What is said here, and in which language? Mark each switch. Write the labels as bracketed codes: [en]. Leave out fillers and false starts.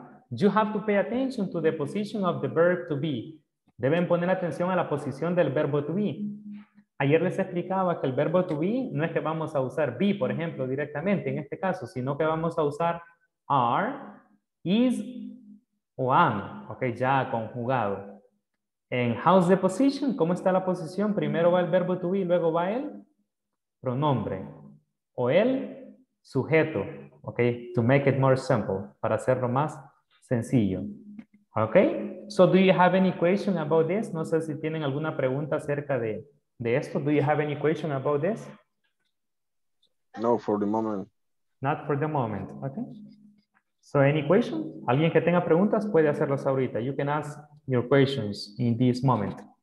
[en] You have to pay attention to the position of the verb to be. [es] Deben poner atención a la posición del verbo to be. Ayer les explicaba que el verbo to be no es que vamos a usar be, por ejemplo, directamente en este caso, sino que vamos a usar are, is, o am, ok, ya conjugado. En [en] how's the position, [es] ¿cómo está la posición? Primero va el verbo to be, luego va el pronombre, o el sujeto, ok, [en] to make it more simple, [es] para hacerlo más sencillo. [en] Ok, so do you have any question about this? [es] No sé si tienen alguna pregunta acerca de... De esto, [en] do you have any question about this? No, for the moment. Not for the moment, okay. So any question? [es] Alguien que tenga preguntas puede hacerlas ahorita. [en] You can ask your questions in this moment.